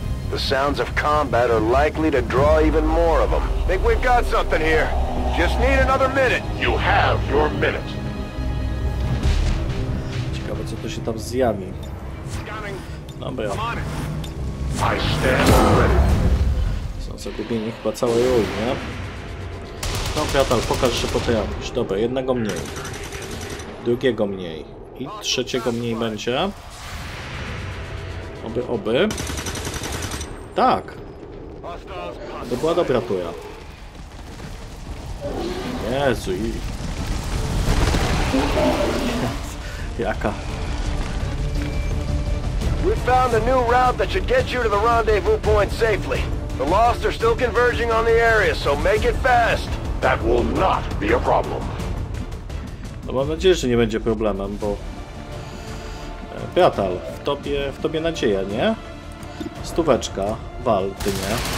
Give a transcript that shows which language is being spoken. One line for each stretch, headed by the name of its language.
English: The sounds of combat are likely to draw even more of them. Think we've got something here. Just need another minute. You have your minute.
Polish: Ciekawe, co to się tam zjawi. Dobra.
English: I stand ready.
Polish: Są zagubieni chyba całej ruj, nie? No, Pratal, pokaż, że potrafisz. Dobra, jednego mniej. Drugiego mniej. I trzeciego mniej będzie. Oby. Tak! To była dobra tuja. Jezu i... Jaka?
English: We found a new route that should get you to the rendezvous point safely. The lost are still converging on the area, so make it fast. That will not be a problem.
Polish: No mam nadzieję, że nie będzie problemem, bo... Pratal, w tobie nadzieja, nie? Stóweczka. Wal, ty nie.